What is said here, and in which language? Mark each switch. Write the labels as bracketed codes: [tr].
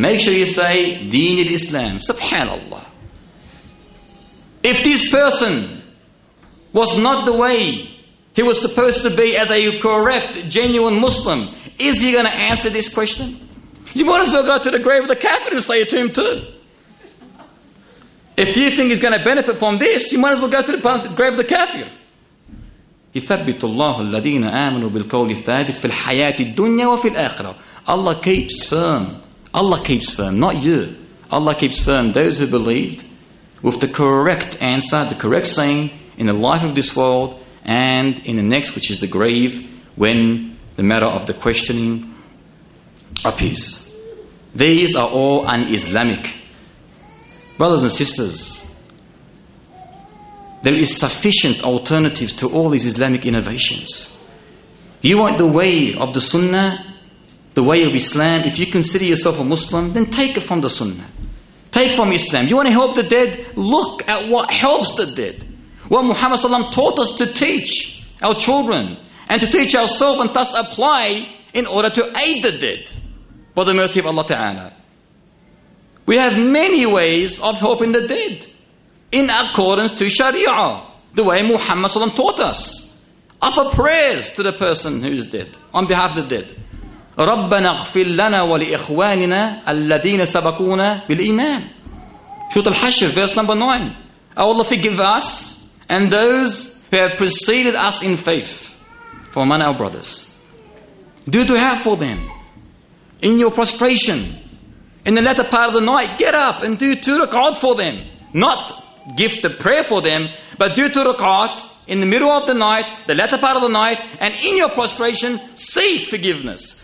[en] Make sure you say Deen of Islam. Subhanallah. If this person was not the way he was supposed to be as a correct, genuine Muslim, is he going to answer this question? You might as well go to the grave of the Kafir and say it to him too. If you think he's going to benefit from this, you might as well go to the grave of the Kafir. [ar] يثبت الله الذين آمنوا بالقول الثابت في الحياة الدنيا وفي الآخرة. [en] Allah keeps firm. Allah keeps firm, not you. Allah keeps firm those who believed with the correct answer, the correct saying in the life of this world and in the next, which is the grave, when the matter of the questioning appears. These are all un-Islamic. Brothers and sisters, there is sufficient alternatives to all these Islamic innovations. You want the way of the Sunnah, the way of Islam. If you consider yourself a Muslim, then take it from the Sunnah. Take from Islam. You want to help the dead? Look at what helps the dead. What Muhammad Sallallahu Alaihi Wasallam taught us to teach our children and to teach ourselves, and thus apply in order to aid the dead by the mercy of Allah Ta'ala. We have many ways of helping the dead in accordance to Sharia, the way Muhammad Sallallahu Alaihi Wasallam taught us. Offer prayers to the person who is dead on behalf of the dead. [ar] رَبَّنَا اغْفِرْ لَنَا وَلِإِخْوَانِنَا الَّذِينَ سَبَقُونَا بِالْإِيمَانِ [en] Surah Al-Hashr, verse number 9. Oh Allah, forgive us and those who have preceded us in faith for among our brothers. Do du'a for them. In your prostration, in the latter part of the night, get up and do two rak'at for them. Not give the prayer for them, but do two rak'at in the middle of the night, the latter part of the night, and in your prostration, seek forgiveness.